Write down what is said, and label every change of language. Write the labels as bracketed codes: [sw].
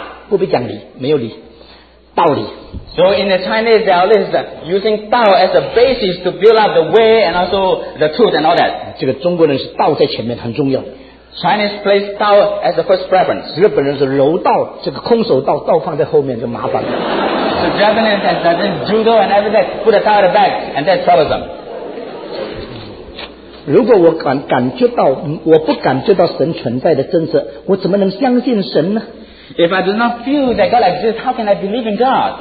[zh] 就是道路、道理、道路、道心、道这个道理、道心、道义、道德、道路，都是用道开始，没有道，不必讲理，没有理，道理。 [en] So in the Chinese dialect, using Tao as a basis to build up the way and also the truth and all that. [zh] 这个中国人是道在前面很重要。 [en] Chinese place Tao as the first preference. [zh] 日本人是柔道，这个空手道，道放在后面就麻烦了。 [en] So Japanese has that judo and everything, put the Tao at the back, and that's troublesome. [zh] 如果我不感觉到神存在的真实，我怎么能相信神呢？ [en] If I do not feel that God exists, how can I believe in God?